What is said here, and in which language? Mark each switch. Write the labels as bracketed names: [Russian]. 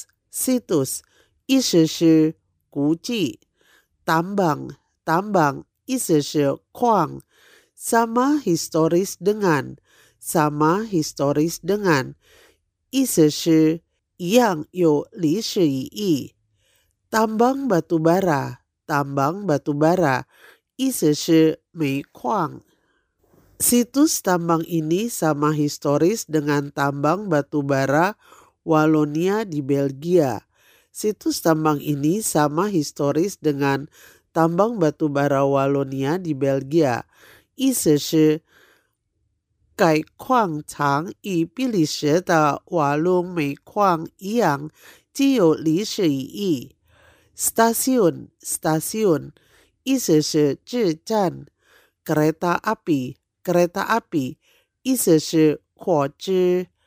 [Chinese] situs， 意思是古迹。 tambang， 意思是矿。 [Indonesian] sama historis dengan，sama historis dengan。 [Chinese] 意思是一样有历史意义。 [Indonesian] Tambang batu bara， [Chinese] 意思是煤矿。 [Indonesian] Situs tambang ini sama historis dengan tambang batu bara Walonia di Belgia. Situs tambang ini sama historis dengan tambang batu bara Walonia di Belgia. [Chinese] 意思是该矿场与比利时的瓦隆煤矿一样，具有历史意义。 Stasiun， 意思是至站。 Kereta api， 意思是火车。